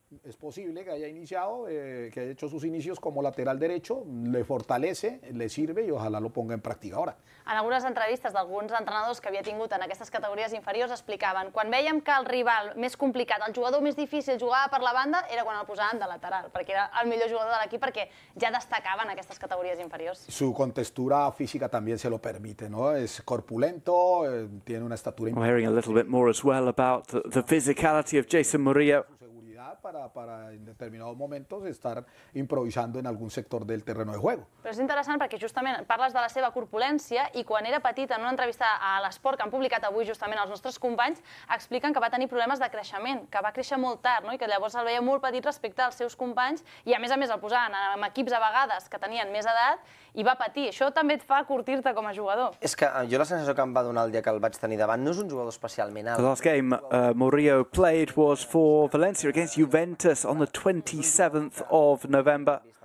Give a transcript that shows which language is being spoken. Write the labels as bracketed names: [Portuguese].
[Spanish] Es posible que haya iniciado, que haya hecho sus inicios como lateral derecho, le fortalece, le sirve y ojalá lo ponga en práctica ahora. [Catalan] En algunes entrevistes d'alguns entrenadors que havia tingut en aquestes categories inferiors explicaven, quan vèiem que el rival més complicat, el jugador més difícil jugava per la banda, era quan el posaven de lateral, perquè era el millor jugador de l'equip, perquè ja destacava en aquestes categories inferiors. [Spanish] Su contextura física también se lo permite, ¿no? Es corpulento, tiene una estatura... [English] We're hearing a little bit more as well about the physicality of Jason Murillo. [Spanish] Para en determinados momentos estar improvisando en algún sector del terreno de juego. [Catalan] Però és interessant perquè justament parles de la seva corpulència i quan era petit, en una entrevista a l'Esport que han publicat avui justament els nostres companys, expliquen que va tenir problemes de creixement, que va créixer molt tard, no? I que llavors el veia molt petit respecte als seus companys i a més el posaven en equips a vegades que tenien més edat i va patir. Això també et fa curtir-te com a jugador. És que jo la sensació que em va donar el dia que el vaig tenir davant no és un jugador especialment alt. [English] The last game Murillo played was for Valencia against Juventus on the 27th of November.